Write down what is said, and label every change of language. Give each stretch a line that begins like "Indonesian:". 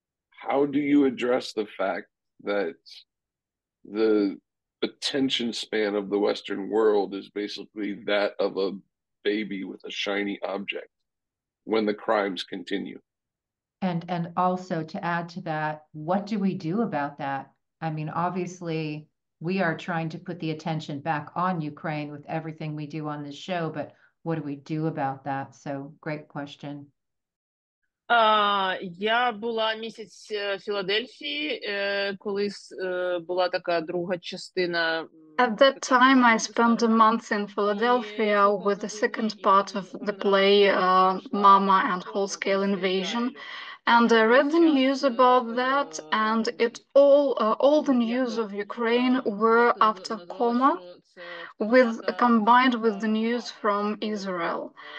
English: How do you address the fact that the attention span of the Western world is basically that of a baby with a shiny object when the crimes continue? And also to add to that, what do we do about that? I mean, obviously, we are trying to put the attention back on Ukraine with everything we do on this show, but what do we do about that? So, great question.
Ukrainian: Я була місяць в Філадельфії, коли була така друга частина.
English: At that time, I spent a month in Philadelphia with the second part of the play Mama and Whole Scale Invasion. And I read the news about that, and it all the news of Ukraine were after coma, combined with the news from Israel.